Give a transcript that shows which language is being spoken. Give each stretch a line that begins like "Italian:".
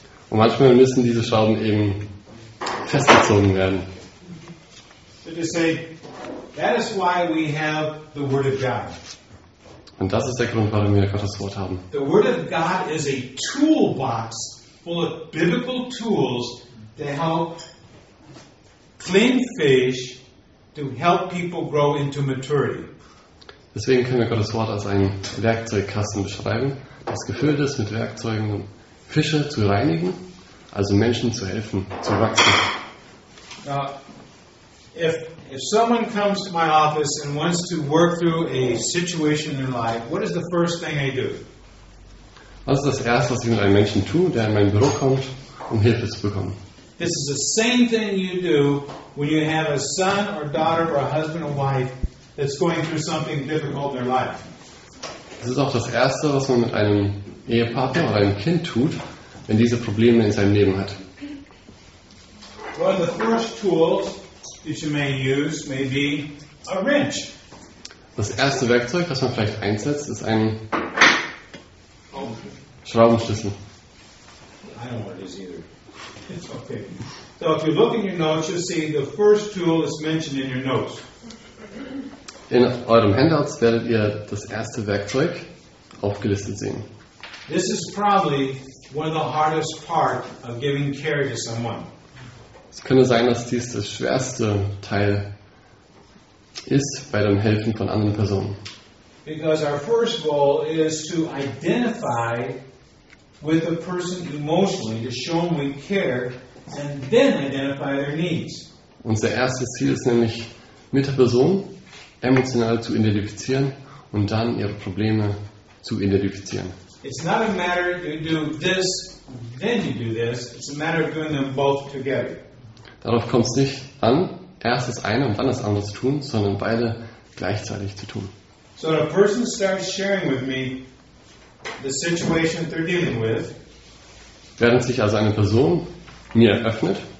German: Und manchmal müssen diese Schrauben eben festgezogen werden.
English: So to say, that is why we have the Word of God.
German: Und das ist der Grund, warum wir Gottes Wort haben.
English: The Word of God is a toolbox full of biblical tools to help clean fish, to help people grow into maturity.
German: Deswegen können wir Gottes Wort als einen Werkzeugkasten beschreiben, das gefüllt ist mit Werkzeugen, um Fische zu reinigen, also Menschen zu helfen, zu wachsen.
English: If someone comes to my office and wants to work through a situation in life, what is the first thing they do?
German: Was ist das Erste, was ich mit einem Menschen tue, der in mein Büro kommt, um Hilfe zu bekommen?
English: This is the same thing you do when you have a son or daughter or a husband or wife that's going through something difficult in their life.
German: Das ist auch das Erste, was man mit einem Ehepartner oder einem Kind tut, wenn diese Probleme in seinem Leben hat.
English: One of the first tools that you may use may be a wrench.
German: Das erste Werkzeug, das man vielleicht einsetzt, ist ein Schraubenschlüssel.
English: I don't know what it is either. It's okay. So if you look in your notes, you'll see the first tool is mentioned in your notes.
German: In eurem Handouts werdet ihr das erste Werkzeug aufgelistet sehen.
English: This is probably one of the hardest parts of giving care to someone.
German: Es könnte sein, dass dies das schwerste Teil ist bei dem Helfen von anderen Personen.
English: Because our first goal is to identify with the person emotionally, to show them we care, and then identify their needs.
German: Unser erstes Ziel ist nämlich, mit der Person emotional zu identifizieren und dann ihre Probleme zu identifizieren.
English: It's not a matter you do this, then you do this. It's a matter of doing them both together.
German: Darauf kommt es nicht an, erst das eine und dann das andere zu tun, sondern beide gleichzeitig zu tun.
English: So a person starts sharing with me the situation they're dealing with.
German: Während sich also eine Person mir öffnet.